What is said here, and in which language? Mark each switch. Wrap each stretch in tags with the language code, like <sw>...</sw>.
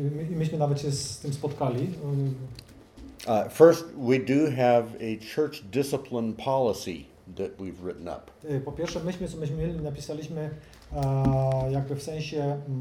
<pl>Myśmy nawet się z tym spotkali.</pl> <en>First, we do have a church discipline policy that we've written up.</en> <pl>Po pierwsze, myśmy napisaliśmy jakby w sensie</pl>